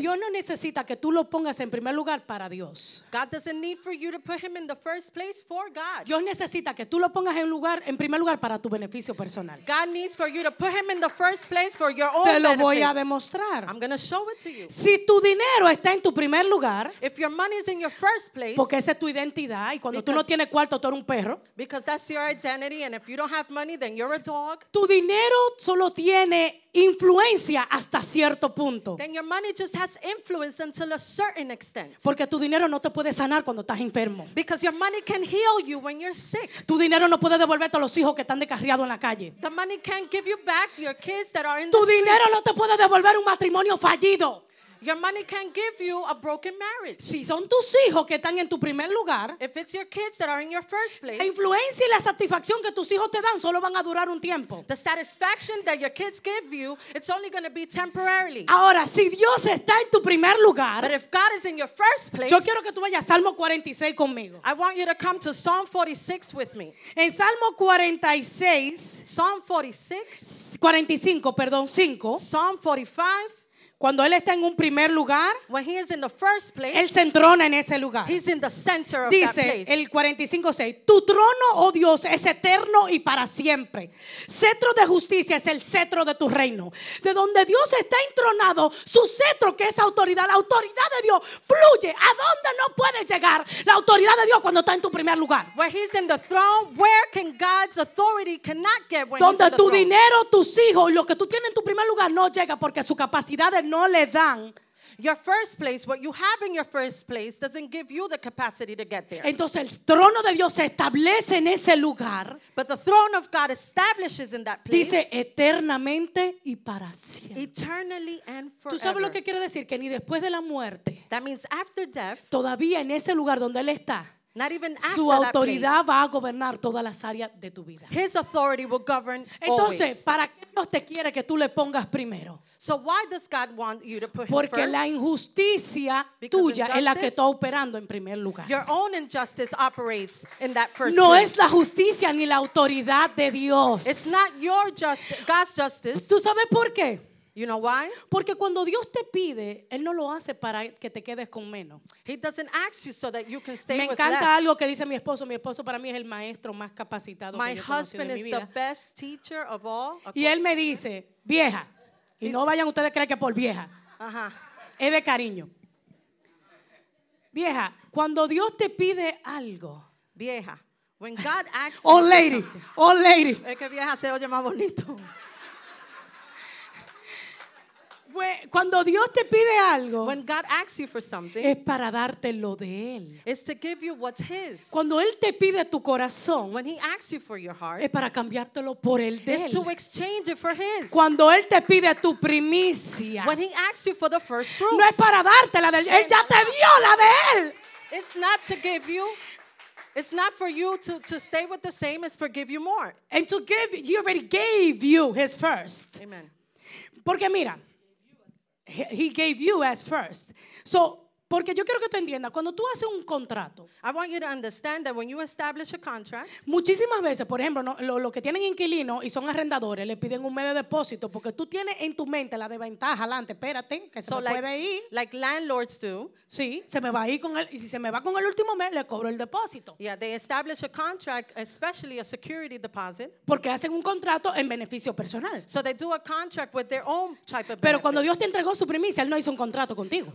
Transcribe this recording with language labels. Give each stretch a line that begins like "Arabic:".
Spanish: Dios no necesita que tú lo pongas en primer lugar para Dios.
English: God doesn't need for you to put him in the first place for God.
Spanish: Dios necesita que tú lo pongas en lugar en primer lugar para tu beneficio personal.
English: God needs for you to put him in the first place for your own
Spanish: Te lo
English: benefit.
Spanish: Voy a demostrar.
English: I'm going to show it to you.
Spanish: Si tu dinero está en tu primer lugar,
English: if your money is in your first place,
Spanish: porque esa es tu identidad y cuando tú no tienes cuarto tú eres un perro.
English: Because that's your identity and if you don't have money then you're a dog.
Spanish: Tu dinero solo tiene influencia hasta cierto punto.
English: Then your money just has influence until a certain extent.
Spanish: Porque tu dinero no te puede sanar cuando estás enfermo.
English: Because your money can heal you when you're sick.
Spanish: Tu dinero no puede devolverte a los hijos que están descarriados en la calle.
English: The money can't give you back your kids that are in
Spanish: tu
English: the
Spanish: dinero
English: street.
Spanish: No te puede devolver un matrimonio fallido.
English: Your money can give you a broken marriage.
Spanish: Si son tus hijos que están en tu primer lugar,
English: if it's your kids that are in your first place,
Spanish: la influencia y la satisfacción que tus hijos te dan solo van a durar un tiempo.
English: The satisfaction that your kids give you, it's only going to be temporarily.
Spanish: Ahora, si Dios está en tu primer lugar,
English: but if God is in your first place,
Spanish: yo quiero que tú vayas a Salmo 46 conmigo.
English: I want you to come to Psalm 46 with me.
Spanish: En Salmo 46,
English: Psalm 46,
Spanish: 45, perdón, 5,
English: Psalm 45,
Spanish: cuando él está en un primer lugar,
English: when he is in the first place,
Spanish: él se entrona en ese lugar.
English: He's in the center of
Spanish: Dice
English: that place.
Spanish: El 45:6, tu trono, oh Dios, es eterno y para siempre. Cetro de justicia es el cetro de tu reino. De donde Dios está entronado, su cetro, que es autoridad, la autoridad de Dios fluye. ¿A dónde no puede llegar la autoridad de Dios cuando está en tu primer lugar?
English: Where he's in the throne, where can God's authority cannot get when
Spanish: donde
English: he's in the
Spanish: Donde tu
English: throne.
Spanish: Dinero, tus hijos, lo que tú tienes en tu primer lugar no llega porque su capacidad de no le dan.
English: Your first place, what you have in your first place, doesn't give you the capacity to get there.
Spanish: Entonces el trono de Dios se establece en ese lugar.
English: But the throne of God establishes in that place.
Spanish: Dice eternamente y para siempre.
English: Eternally and forever.
Spanish: ¿Tú sabes lo que quiere decir? Que ni después de la muerte.
English: That means after death.
Spanish: Todavía en ese lugar donde él está.
English: Not even after
Spanish: su autoridad
English: that place,
Spanish: va a gobernar todas las áreas de tu vida.
English: His authority will govern
Spanish: Entonces,
English: always.
Spanish: ¿Para qué Dios te quiere que tú le pongas primero?
English: So why does God want you to put him
Spanish: Porque
English: first?
Spanish: La injusticia
English: Because
Spanish: tuya es la que está operando en primer lugar.
English: Your own injustice operates in that first
Spanish: No
English: place.
Spanish: Es la justicia ni la autoridad de Dios.
English: It's not your justice, God's justice.
Spanish: ¿Tú sabes por qué?
English: You know why?
Spanish: Porque cuando Dios te pide, él no lo hace para que te quedes con menos.
English: He doesn't ask you so that you can stay with
Spanish: Me encanta
English: with
Spanish: algo que dice mi esposo. Mi esposo para mí es el maestro más capacitado
English: My
Spanish: que yo
English: husband
Spanish: conocí
English: is
Spanish: en mi vida.
English: The best teacher of all.
Spanish: Y él me dice, vieja. Y no vayan ustedes a creer que por vieja. Uh-huh. Es de cariño. Vieja, cuando Dios te pide algo.
English: Vieja, when God asks Oh lady, oh lady.
Spanish: Es que vieja se oye más bonito. Cuando Dios te pide algo,
English: when God asks you for something,
Spanish: es para darte lo de Él.
English: It's to give you what's His.
Spanish: Cuando Él te pide tu corazón,
English: when He asks you for your heart,
Spanish: es para cambiártelo por el de
English: it's
Spanish: Él.
English: To exchange it for His.
Spanish: Cuando Él te pide tu primicia,
English: when He asks you for the first fruits,
Spanish: no es para darte la de Él. Él ya te dio la de Él.
English: It's not to give you. It's not for you to stay with the same. It's for give you more. And to give, He already gave you His first. Amen.
Spanish: Porque mira.
English: He gave you as first.
Spanish: So, porque yo quiero que tú entiendas, cuando tú haces un contrato,
English: I want you to understand that when you establish a contract,
Spanish: muchísimas veces, por ejemplo, ¿no? Lo que tienen inquilinos y son arrendadores, le piden un mes de depósito porque tú tienes en tu mente la desventaja, adelante, espérate, que se
English: so
Spanish: me
English: like,
Spanish: puede ir.
English: Like landlords do.
Spanish: Sí, se me va a ir con el, y si se me va con el último mes, le cobro el depósito.
English: Yeah, they establish a contract, especially a security deposit.
Spanish: Porque hacen un contrato en beneficio personal.
English: So they do a contract with their own type of
Spanish: Pero
English: benefit.
Spanish: Cuando Dios te entregó su primicia, Él no hizo un contrato contigo.